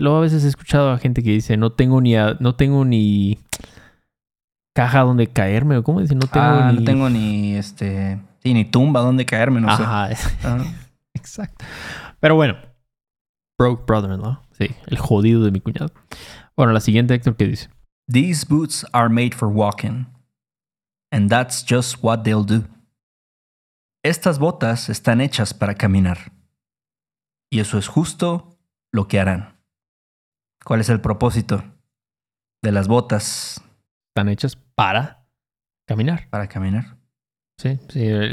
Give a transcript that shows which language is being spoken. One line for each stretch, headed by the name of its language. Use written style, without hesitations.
Spanish: Luego a veces he escuchado a gente que dice, no tengo ni caja donde caerme. ¿Cómo dice? No tengo ni sí, ni tumba donde caerme, no. Ajá. Sé. Ajá. Exacto. Pero bueno.
English: Broke brother-in-law.
Spanish: Sí, el jodido de mi cuñado. Bueno, la siguiente, Héctor, ¿qué dice?
English: These boots are made for walking. And that's just what they'll do.
Spanish: Estas botas están hechas para caminar. Y eso es justo lo que harán. ¿Cuál es el propósito de las botas? Están hechas para caminar. Para caminar. Sí, sí.